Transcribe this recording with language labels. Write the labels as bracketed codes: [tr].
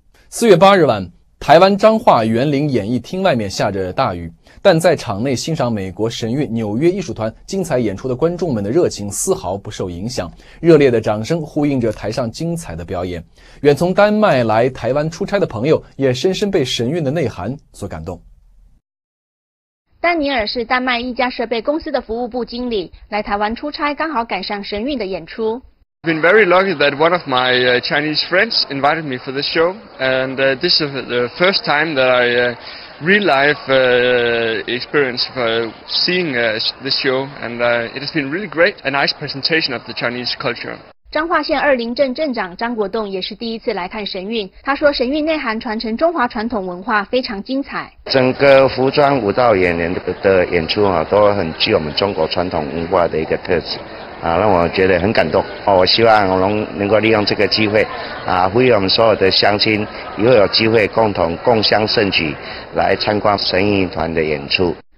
[zh] 四月八日晚，台湾彰化园林演艺厅外面下着大雨，但在场内欣赏美国神韵纽约艺术团精彩演出的观众们的热情丝毫不受影响，热烈的掌声呼应着台上精彩的表演。远从丹麦来台湾出差的朋友也深深被神韵的内涵所感动。丹尼尔是丹麦一家设备公司的服务部经理，来台湾出差刚好赶上神韵的演出。 [en] I've been very lucky that one of my Chinese friends invited me for this show, and this is the first time that I real life experience for seeing this show, and it has been really great, a nice presentation of the Chinese culture. [zh] 彰化县二林镇镇长张国栋也是第一次来看神韵，他说神韵内涵传承中华传统文化非常精彩。整个服装舞蹈演员的演出啊，都很具我们中国传统文化的一个特质。让我觉得很感动我希望我能够利用这个机会呼吁我们所有的乡亲以后有机会共同共襄盛举来参观神韵团的演出。